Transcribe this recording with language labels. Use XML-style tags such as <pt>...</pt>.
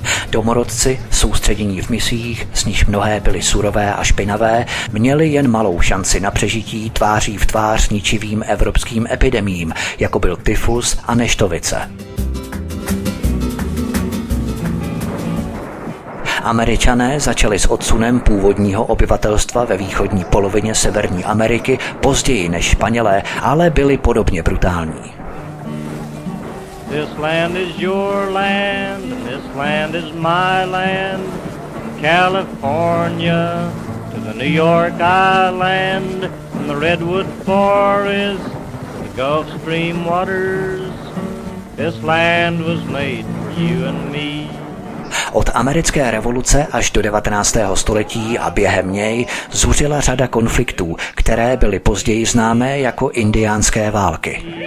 <cs>Domorodci, soustředění v misích, z nich mnohé byly surové a špinavé, měli jen malou šanci na přežití tváří v tvář ničivým evropským epidemiím, jako byl tyfus a neštovice. Američané začali s odsunem původního obyvatelstva ve východní polovině Severní Ameriky později než Španělé, ale byli podobně brutální.</cs> <en>This land is your land, this land is my land, California to the New York Island, and the Redwood Forest, the Gulf Stream waters, this land was made for you and me.</en> <cs>Od americké revoluce až do 19. století a během něj zuřila řada konfliktů, které byly později známé jako indiánské války.</cs>